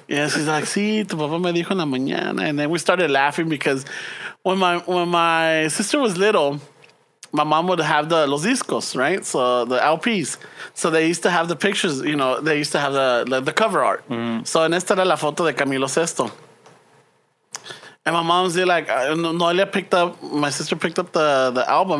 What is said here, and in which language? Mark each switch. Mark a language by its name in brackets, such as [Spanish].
[English] Yeah, she's like, [Spanish] sí, tu papá me dijo en la mañana. [English] And then we started laughing because when my sister was little, my mom would have the [Spanish] los discos, [English] right? So the LPs. So they used to have the pictures, you know, they used to have the cover art. Mm-hmm. [Spanish] So en esta era la foto de Camilo VI. [English] And my mom's like, Noelia picked up, my sister picked up the album.